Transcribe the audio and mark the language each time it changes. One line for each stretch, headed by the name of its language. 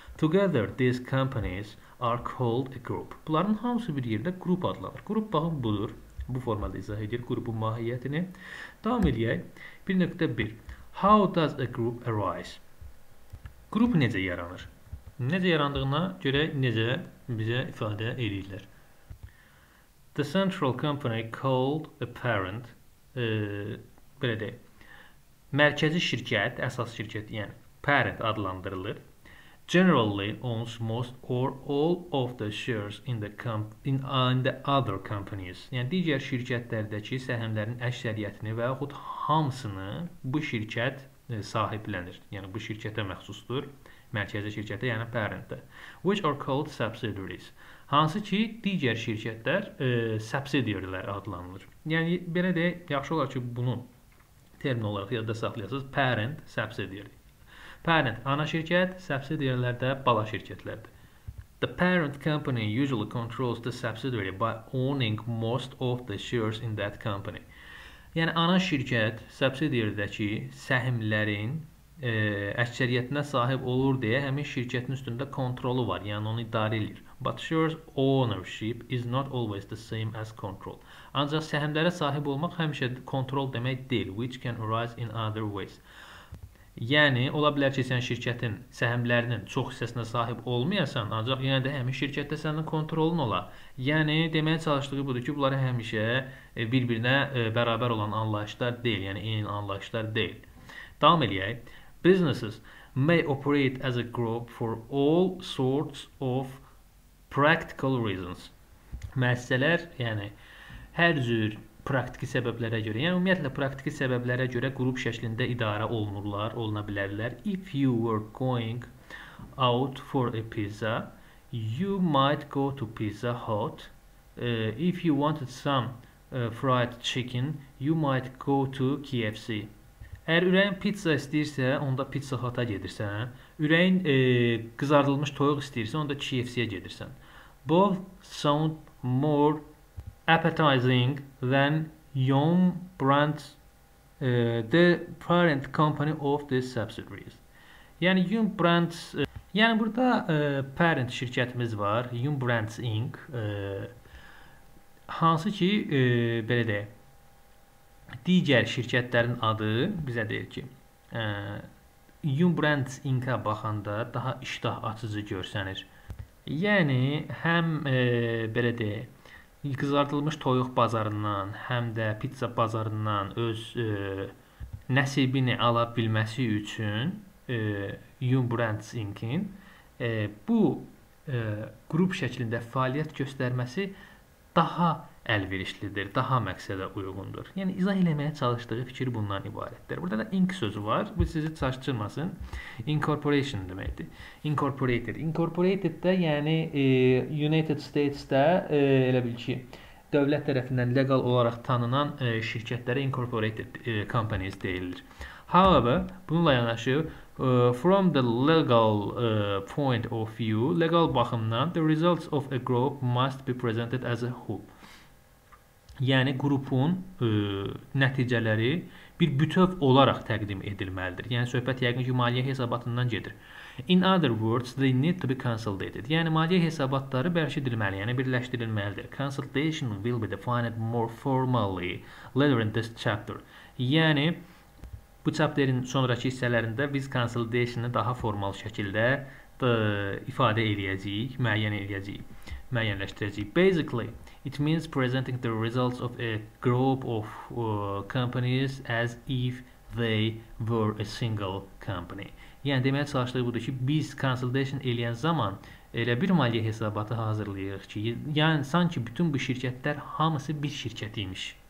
English: Together these companies are called a group.
Azerbaijani: Bunların hamısı bir yerdə qrup adlanır. Qrup baxın budur. Bu formada izah edir qrupun mahiyyətini. Davam edək. 1.1.
English: How does a group arise?
Azerbaijani: Qrup necə yaranır? Necə yarandığına görə necə bizə ifadə edirlər?
English: The central company called a parent.
Azerbaijani: Belə deyək. Mərkəzi şirkət, əsas şirkət, yəni parent adlandırılır.
English: Generally owns most or all of the shares in the other companies.
Azerbaijani: Yəni digər şirkətlərdəki səhmlərin əksəriyyətini və yaxud hamısını bu şirkət sahiblənir. Yəni bu şirkətə məxsusdur, mərkəzi şirkətə, yəni parentdə.
English: Which are called subsidiaries.
Azerbaijani: Hansı ki digər şirkətlər subsidiarylar adlanır. Yəni belə deyək, yaxşı olar ki bunu termin olaraq yadda saxlayasınız, parent, subsidiary. Parent, ana şirkət, subsidiary-lər də bala şirkətlərdir.
English: The parent company usually controls the subsidiary by owning most of the shares in that company.
Azerbaijani: Yəni, ana şirkət, subsidiary-dəki səhmlərin əksəriyyətinə sahib olur deyə həmin şirkətin üstündə kontrolu var, yəni onu idarə edir.
English: But shares ownership is not always the same as control.
Azerbaijani: Ancaq səhmlərə sahib olmaq həmişə kontrol demək deyil,
English: which can arise in other ways.
Azerbaijani: Yəni, ola bilər ki, sən şirkətin səhmlərinin çox hissəsinə sahib olmayasan, ancaq yenə də həmin şirkətdə sənin kontrolun ola. Yəni, deməyə çalışdığı budur ki, bunları həmişə bir-birinə bərabər olan anlayışlar deyil, yəni eyni anlayışlar deyil. Davam edək.
English: Businesses may operate as a group for all sorts of practical reasons.
Azerbaijani: Müəssisələr, yəni hər cür praktiki səbəblərə görə, yəni ümumiyyətlə praktiki səbəblərə görə qrup şəklində idarə olunurlar, oluna bilərlər.
English: If you were going out for a pizza, you might go to Pizza Hut. If you wanted some fried chicken, you might go to KFC.
Azerbaijani: Əgər ürəyin pizza istəyirsə, onda Pizza Hut-a gedirsən. Ürəyin qızardılmış toyuq istəyirsə, onda KFC-yə gedirsən.
English: Both sound more appetizing than Yum Brands, the parent company of the subsidiaries.
Azerbaijani: Yəni Yum Brands, yəni burada parent şirkətimiz var, Yum Brands Inc. Hansı ki, belə deyək, digər şirkətlərin adı bizə deyir ki, Yum Brands Inc-a baxanda daha iştah açıcı görsənir. Yəni, həm belə deyək, qızardılmış toyuq bazarından, həm də pizza bazarından öz nəsibini ala bilməsi üçün Yum Brands Inc-in bu qrup şəklində fəaliyyət göstərməsi daha əlverişlidir, daha məqsədə uyğundur. Yəni, izah eləməyə çalışdığı fikir bundan ibarətdir. Burada da ink sözü var. Bu, sizi çaşdırmasın. Incorporation deməkdir. Incorporated. Incorporated də, yəni United States-də elə bil ki, dövlət tərəfindən legal olaraq tanınan şirkətlərə incorporated companies deyilir.
English: However,
Azerbaijani: bununla yanaşı,
English: from the legal point of view,
Azerbaijani: legal baxımdan,
English: the results of a group must be presented as a whole.
Azerbaijani: Yəni, qrupun nəticələri bir bütöv olaraq təqdim edilməlidir. Yəni, söhbət yəqin ki, maliyyə hesabatından gedir.
English: In other words, they need to be consolidated.
Azerbaijani: Yəni, maliyyə hesabatları bərk edilməli, yəni birləşdirilməlidir.
English: Consolidation will be defined more formally later in this chapter.
Azerbaijani: Yəni, bu chapterin sonraki hissələrində biz consolidation-ı daha formal şəkildə ifadə edəcəyik, müəyyən edəcəyik, müəyyənləşdirəcəyik.
English: Basically, it means presenting the results of a group of companies as if they were a single company.
Azerbaijani: Yəni, deməyə çalışdığı budur ki, biz consolidation eləyən zaman elə bir maliyyə hesabatı hazırlayırıq ki, yəni sanki bütün bu şirkətlər hamısı bir şirkət imiş.